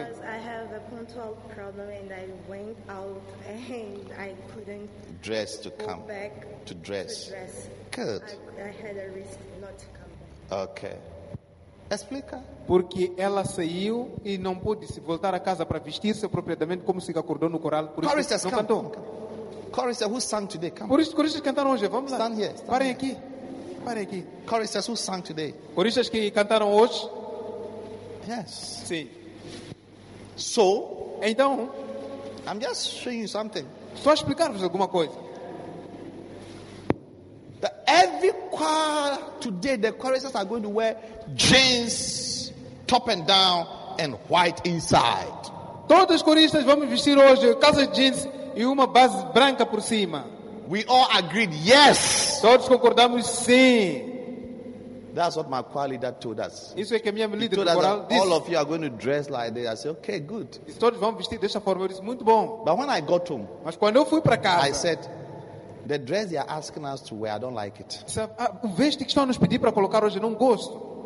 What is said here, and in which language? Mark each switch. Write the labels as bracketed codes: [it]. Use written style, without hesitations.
[en] I have a punctual problem and I went out and I couldn't dress to come back to dress. To dress. Good. I had a risk not to come back. [pt] Okay. Explica. Porque ela saiu e não pôde se voltar a casa para vestir-se apropriadamente como se acordou no coral, por isso não [en] come, [pt] cantou. [en] Choristers, who sang today? Come. [pt] Por isso, choristers cantaram hoje. Vamos lá. [en] Stand here. [pt] Parem [en] here. [pt] Aqui. Parem aqui. [en] Choristers, who sang today? [pt] Choristers que cantaram hoje. [en] Yes. [pt] Sim. [en] So. [pt] Então. [en] I'm just showing you something. [pt] Só explicar-vos alguma coisa. [en] That every choir today, the choristers are going to wear jeans top and down and white inside. [pt] Todos os choristas vão vestir hoje calças jeans e uma base branca por cima. [en] We all agreed, yes. [pt] Todos concordamos, sim. [en] That's what my choir leader told us. [pt] Isso é que minha leader [en] told us [pt] coral, [en] that all of you are going to dress like this. I said, okay, good. [pt] Todos vão vestir dessa forma. Eu disse, muito bom. [en] But when I got home, [pt] mas quando eu fui para casa, [en] I said, The dress they are asking us to wear, I don't like it. [pt] A veste que estão nos pedindo para colocar hoje, eu não gosto.